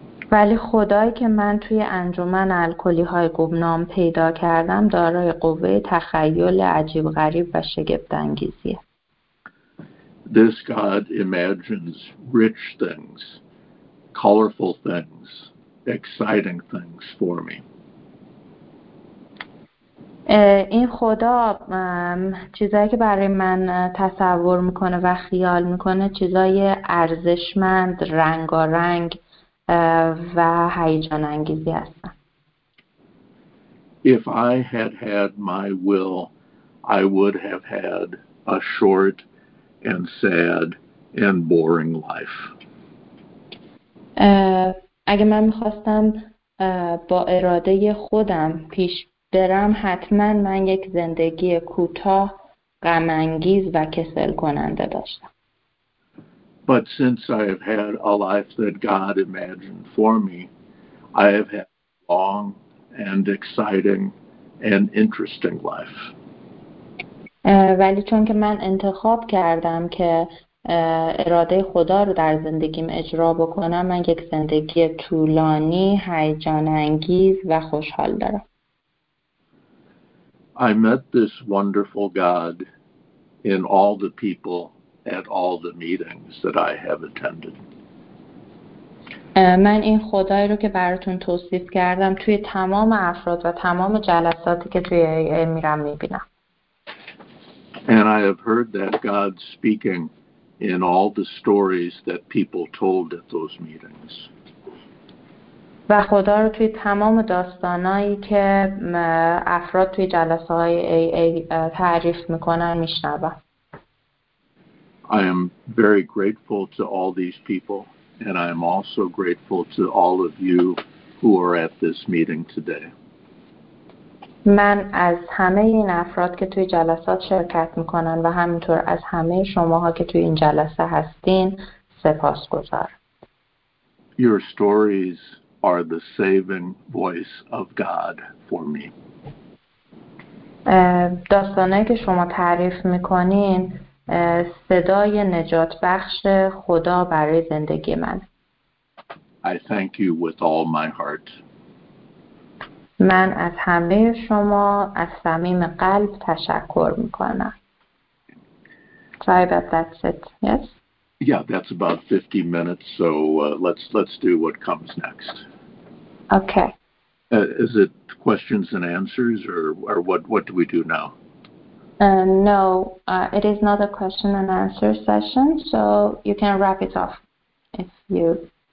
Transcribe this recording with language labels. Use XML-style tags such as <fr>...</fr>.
<fa>ولی خدایی که من توی انجمن الکلی‌های گمنام پیدا کردم دارای قوه تخیل عجیب غریب و شگفت‌انگیزیه.</fa> <en>This God imagines rich things, colorful things, exciting things for me.</en> <fa>این خدا چیزایی که برای من تصور میکنه و خیال میکنه چیزای ارزشمند، رنگارنگ و هیجان انگیزی هستن.</fa> <en>If I had had my will, I would have had a short and sad and boring life.</en> <fa>اگه من میخواستم با اراده خودم پیش درم، حتما من یک زندگی کوتاه، غم‌انگیز و کسل کننده داشتم.</fa> <en>But since I have had a life that God imagined for me, I have had a long and exciting and interesting life.</en> <fa>ولی چون که من انتخاب کردم که اراده خدا رو در زندگیم اجرا بکنم، من یک زندگی طولانی، هیجان انگیز و خوشحال دارم.</fa> <en>I met this wonderful God in all the people at all the meetings that I have attended.</en> <fa>من این خدایی رو که براتون توصیف کردم توی تمام افراد و تمام جلساتی که توی AA میرم میبینم.</fa> <en>And I have heard that God speaking in all the stories that people told at those meetings.</en> <fa>و و خدا رو توی تمام داستانایی که افراد توی جلسه های AA تعریف میکنن میشنوم.</fa> <en>I am very grateful to all these people and I am also grateful to all of you who are at this meeting today.</en> <fa>من از همه این افراد که توی جلسات شرکت میکنن و همینطور از همه شماها که توی این جلسه هستین سپاسگزارم.</fa> <en>Your stories are the saving voice of God for me.</en> <fa>داستانی که شما تعریف میکنین صدای نجات بخش خدا برای زندگی من.</fa> <en>I thank you with all my heart.</en> <fa>من از همه شما از صمیم قلب تشکر میکنم.</fa> <en>Sorry about that. Yes. Yeah, that's about 50 minutes, so let's do what comes next. Okay. Is it questions and answers, or what do we do now? No, it is not a question and answer session, so you can wrap it up if you...</en>